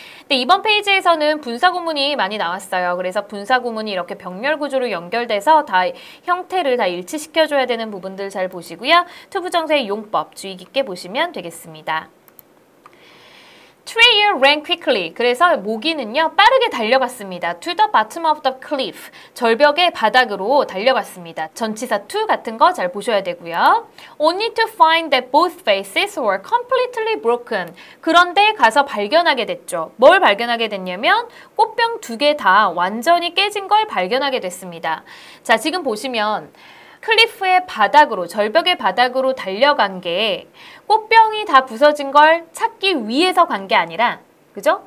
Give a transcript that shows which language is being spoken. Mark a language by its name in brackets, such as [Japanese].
[Korean] 네, 이번 페이지에서는 분사구문이 많이 나왔어요. 그래서 분사구문이 이렇게 병렬 구조로 연결돼서 다 형태를 다 일치시켜줘야 되는 부분들 잘 보시고요. 투부정사의 용법 주의 깊게 보시면 되겠습니다. [English] Treyer ran quickly. [Korean] 그래서 모기는요 빠르게 달려갔습니다. [English] To the bottom of the cliff. [Korean] 절벽의 바닥으로 달려갔습니다. 전치사 to 같은 거 잘 보셔야 되고요. [English] Only to find that both faces were completely broken. [Korean] 그런데 가서 발견하게 됐죠. 뭘 발견하게 됐냐면 꽃병 두 개 다 완전히 깨진 걸 발견하게 됐습니다. 자, 지금 보시면 클리프의 바닥으로, 절벽의 바닥으로 달려간 게 꽃병이 다 부서진 걸 찾기 위해서 간 게 아니라, 그죠?